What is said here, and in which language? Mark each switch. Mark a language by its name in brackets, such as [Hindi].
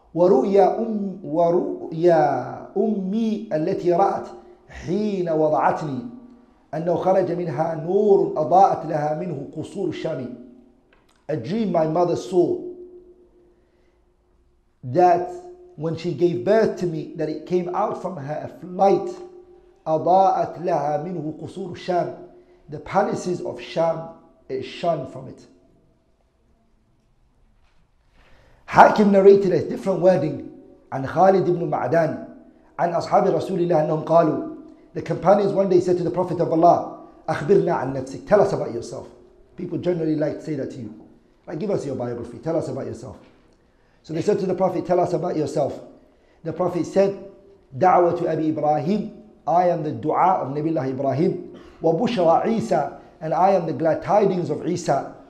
[Arabic] وَرُؤْيَا أُمِّي أَلَّتِي رَأَتْ حِينَ وَضَعَتْنِي أَنَّوْ خَرَجَ مِنْهَا نُورٌ أَضَاءَتْ لَهَا مِنْهُ قُصُورُ الشَّامِ. [English] A dream my mother saw, that when she gave birth to me, that it came out from her a light. [Arabic] أضاءت لها منه قصور الشام. [English] The palaces of Sham, it shone from it. Hakim narrated a different wording [Arabic] عن خالد بن معدان عن أصحاب رسول الله أنهم قالوا. [English] The companions one day said to the Prophet of Allah, [Arabic] أخبرنا عن نفسك, [English] tell us about yourself. People generally like to say that to you. Like, give us your biography, tell us about yourself. So they said to the Prophet, tell us about yourself. The Prophet said, [Arabic] دعوة أبي إبراهيم, [English] I am the dua of Nabiullah Ibrahim. [Arabic] وَبُشْرَى عِيسَى, [English] and I am the glad tidings of Isa.